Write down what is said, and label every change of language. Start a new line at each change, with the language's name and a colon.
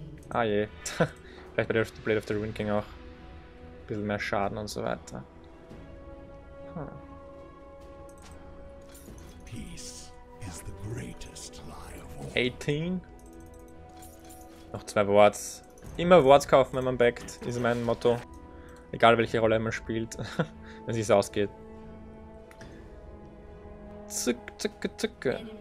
German: Ah je. Vielleicht bei der Blade of the Ruin King auch. Ein bisschen mehr Schaden und so weiter.
English: Peace is the greatest lie of all.
German: 18. Noch zwei Wards. Immer Wards kaufen, wenn man backt, ist mein Motto. Egal welche Rolle man spielt, wenn es ausgeht. Zucke.